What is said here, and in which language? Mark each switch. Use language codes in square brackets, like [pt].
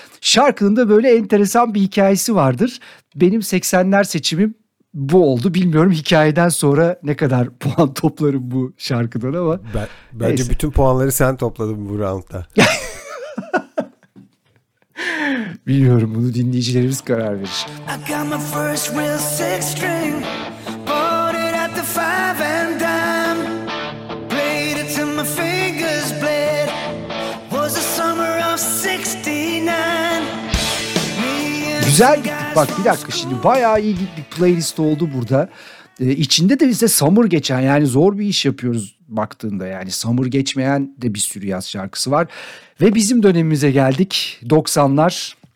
[tr] Şarkının da böyle enteresan bir hikayesi vardır. Benim 80'ler seçimim bu oldu. Bilmiyorum hikayeden sonra ne kadar puan toplarım bu şarkıdan ama. Bence neyse. Bütün puanları sen topladın bu roundda. Bilmiyorum bunu dinleyicilerimiz karar verir. [en] I got my first real six string, bought it at the five and dime, played it till my fingers bled, was the summer of 69. [tr] Güzel gittik bak bir dakika şimdi bayağı iyi gittik playlist oldu burada. İçinde de bize summer geçen yani zor bir iş yapıyoruz baktığında yani summer geçmeyen de bir sürü yaz şarkısı var. Ve bizim dönemimize geldik 90'lar.